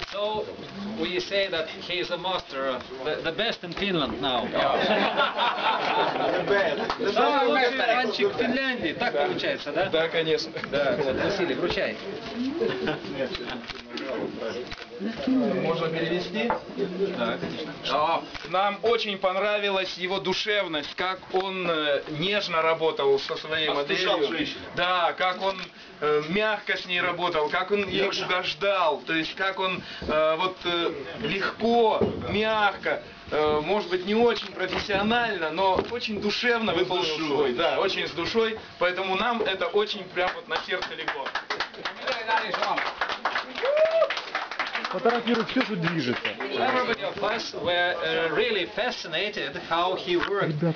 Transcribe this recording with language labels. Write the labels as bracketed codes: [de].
[en] So we say that he is a master, the best in Finland now. The best. [ru] Самый лучший танчик в Финляндии. Так получается, да? Да, конечно. Да. Василий, вручай. Можно перевести? Да, конечно. Нам очень понравилась его душевность, как он нежно работал со своей моделью. Да, как он мягко с ней работал, как он ее угождал, то есть как он легко, мягко, может быть не очень профессионально, но очень душевно выполнил свой, да, очень с душой, поэтому нам это очень прям вот на сердце легло. Фотографируют все, что движется. [en] Everybody of us were really fascinated how he worked.